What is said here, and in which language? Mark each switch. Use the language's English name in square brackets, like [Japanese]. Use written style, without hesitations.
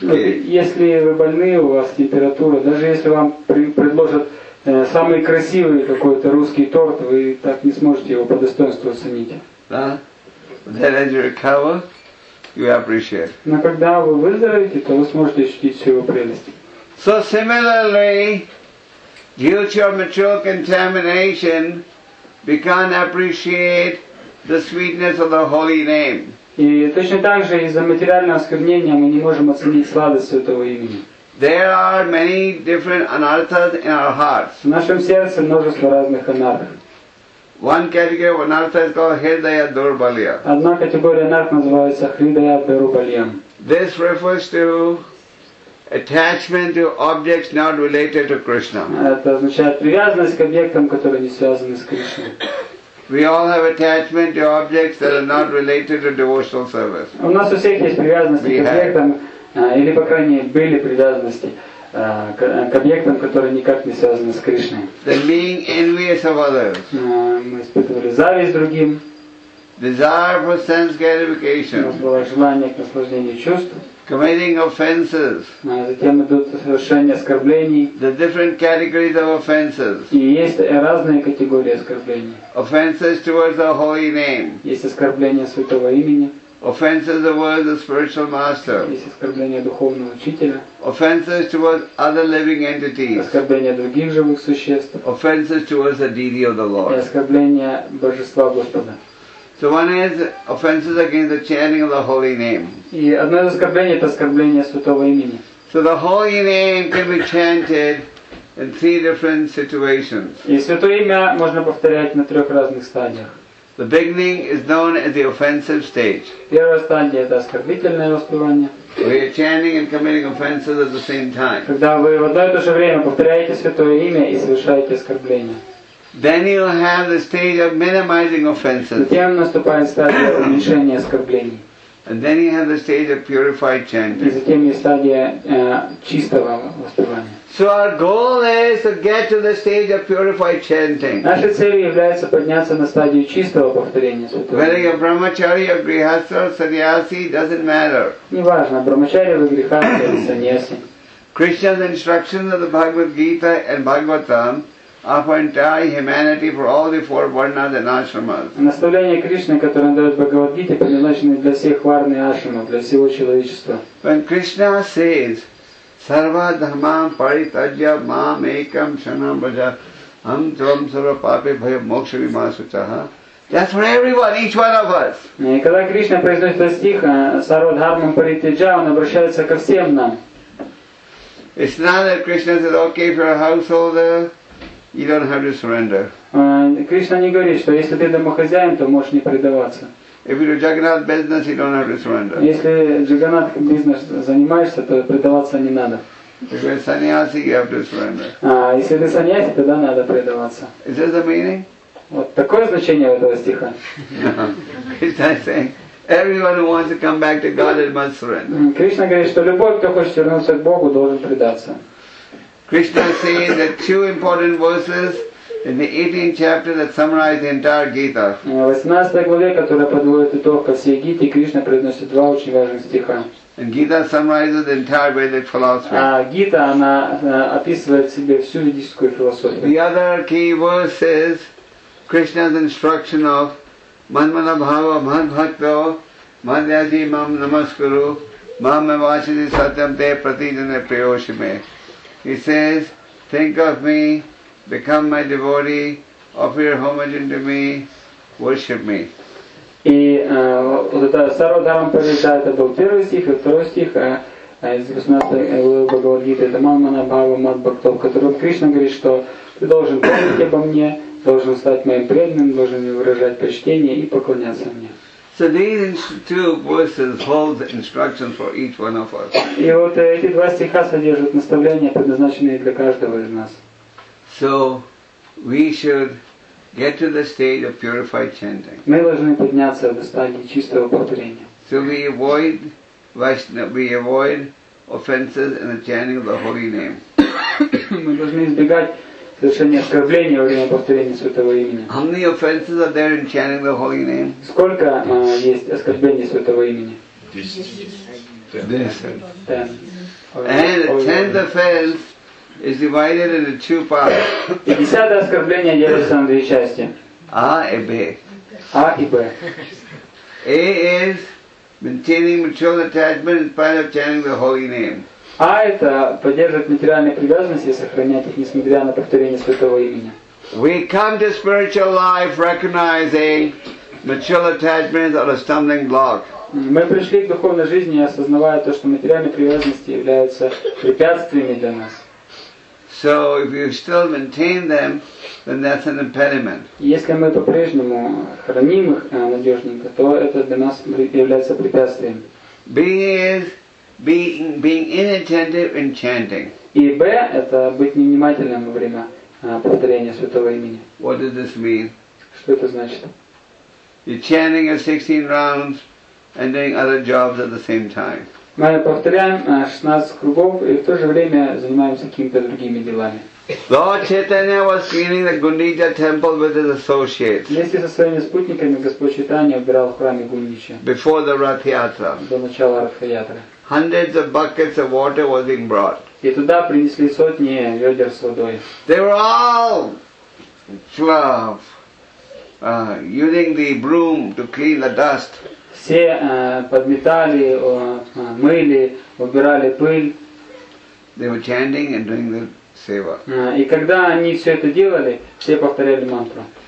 [Russian] Если вы больны, у вас температура, даже если вам предложат самый красивый какой-то русский торт, вы так не сможете его по достоинству оценить. [English] Then as you recover, you appreciate. [Russian] Но когда вы выздоровеете, то вы сможете ощутить всю его прелесть. [English] So similarly, due to your material contamination, we can't appreciate the sweetness of the holy name. [Russian] И точно так же из-за материального осквернения мы не можем оценить сладость святого имени. [English] There are many different anarthas in our hearts. [Russian] В нашем сердце множество разных анарх. [English] One category of anartha is called Hridaya Durbalya. [Russian] Одна категория анарх называется Hridaya Durbalya. [English] This refers to attachment to objects not related to Krishna. [Russian] Это означает привязанность к объектам, которые не связаны с Кришной. [English] We all have attachment to objects that are not related to devotional service. [Russian] У нас у всех есть привязанности к объектам, или по крайней мере были привязанности к объектам, которые никак не связаны с Кришной. [English] The being envious of others. [Russian] Мы испытывали зависть другим. [English] Desire for sense gratification. [Russian] У нас было желание к наслаждению чувств. [English] Committing offenses. [Russian] Затем идут совершение оскорблений. [English] The different categories of offenses. [Russian] И есть разные категории оскорблений. [English] Offenses towards the holy name. [Russian] Есть оскорбления святого имени. [English] Offenses towards the spiritual master. [Russian] Есть оскорбления духовного учителя. [English] Offenses towards other living entities. [Russian] Оскорбления других живых существ. [English] Offenses towards the deity of the Lord. [Russian] И оскорбления божества Господа. [English] So one is offenses against the chanting of the holy name. [Russian] И одно из оскорблений это оскорбление святого имени. [English] So the holy name can be chanted in three different situations. [Russian] И святое имя можно повторять на трех разных стадиях. [English] The beginning is known as the offensive stage. [Russian] Первая стадия это оскорбительное воспевание. [English] We are chanting and committing offenses at the same time. [Russian] Когда вы в одно и то же время повторяете святое имя и совершаете оскорбление. [English] Then you have the stage of minimizing offenses. [Russian] Затем наступает стадия уменьшения оскорблений. [English] And then you have the stage of purified chanting. [Russian] И затем есть стадия чистого воспевания. [English] So our goal is to get to the stage of purified chanting. [Russian] Наша цель является подняться на стадию чистого повторения святого. [English] Whether you're brahmacharya, grihastha, sannyasi, doesn't matter. [Russian] Неважно, брахмачарья, грихастха или саньяси. [English] Krishna's instructions of the Bhagavad Gita and Bhagavatam are for entire humanity for all the four varnas and ashramas. [Russian] Наставления Кришны, которые он дает в Бхагавад Гите, предназначены для всех варн и ашрамов, для всего человечества. [English] When Krishna says [Sanskrit] Sarva dhammam paritajya mam ekam shanam bhaja aham tvam sarva paape bhaya moksha vimaha sutaha. [English] That's for everyone, each one of us. [Russian] Когда Кришна произносит этот стих, [Sanskrit] Sarva dhammam paritajya, [Russian] он обращается ко всем нам. [English] It's not that Krishna says, okay, if you're a householder, you don't have to surrender. [Russian] Кришна не говорит, что если ты домохозяин, то можешь не предаваться. [English] If you're a Jagannath business, you don't have to surrender. [Russian] Если [English] Jagannath business [Russian] занимаешься, то предаваться не надо. [English] If you're a sannyasi, you have to surrender. [Russian] Если ты sannyasi, тогда надо предаваться. [English] Is this the meaning? [Russian] Вот такое значение этого стиха. [English] Krishna is saying, everyone who wants to come back to God must surrender. [Russian] Кришна говорит, что любой, кто хочет вернуться к Богу, должен предаться. [English] Krishna is saying that two important verses in the 18th chapter that summarize the entire Gita. [Russian] В 18 главе, которая подводит итог ко всей Гите, Кришна произносит два очень важных стиха. [English] And Gita summarizes the entire Vedic philosophy. [Russian] А Гита она описывает в себе всю ведическую философию. [English] The other key verse is Krishna's instruction of [Sanskrit] Manmana Bhava Man Bhakto Madhyaji Mam Namaskuru Mamma Vashidi Satyam Te Pratijane Priyoshime. [English] He says, think of me, become my devotee, offer your homage unto me, worship me. [Russian] И вот это [Sanskrit] Сарвадхарма Парита, [Russian] это был первый стих, и второй стих из 18-го Бхагавад Гиты, это [Sanskrit] Манмана Бхава Мат Бхакто, [Russian] в котором Кришна говорит, что ты должен помнить обо мне, должен стать моим преданным, должен выражать почтение и поклоняться мне. [English] So these two verses hold the instructions for each one of us. [Russian] И вот эти два стиха содержат наставления, предназначенные для каждого из нас. [English] So we should get to the stage of purified chanting. [Russian] Мы должны подняться до стадии чистого повторения. [English] So we avoid offenses in the chanting of the holy name. [Russian] Мы должны избегать совершение оскорбления во время повторения святого имени. [English] How many offenses are there in chanting the holy name? [Russian] Сколько есть оскорблений святого имени? [English] 10. And the 10th offense is divided into two parts. [Russian] И 10 оскорбление делится на две части. A и B. A и B. [English] A is maintaining material attachment in spite of chanting the holy name. [Russian] А это поддерживать материальные привязанности и сохранять их, несмотря на повторение святого имени. [English] We come to spiritual life recognizing material attachments are a stumbling block. [Russian] Мы пришли к духовной жизни, осознавая то, что материальные привязанности являются препятствиями для нас. [English] So if you still maintain them, then that's an impediment. [Russian] Если мы по-прежнему храним их надежненько, то это для нас является препятствием. [English] B is being inattentive in chanting. [Russian] И Б это быть невнимательным во время повторения святого имени. [English] What does this mean? [Russian] Что это значит? [English] You're chanting 16 rounds and doing other jobs at the same time. [Russian] Мы повторяем 16 кругов и в то же время занимаемся какими-то другими делами. [English] Lord Chaitanya was cleaning the Гундича temple with his associates. [Russian] Вместе со своими спутниками Господь Чайтанья убирал в храме Гундича. [English] Before the Rath Yatra. [Russian] До начала Ратха Ятры. [English] Hundreds of buckets of water was being brought. [Russian] И туда принесли сотни ведер с водой. [English] They were all twelve using the broom to clean the dust. [Russian] Все подметали, мыли, убирали пыль. [English] They were chanting and doing the seva. [Russian] И когда они все это делали, все повторяли мантру.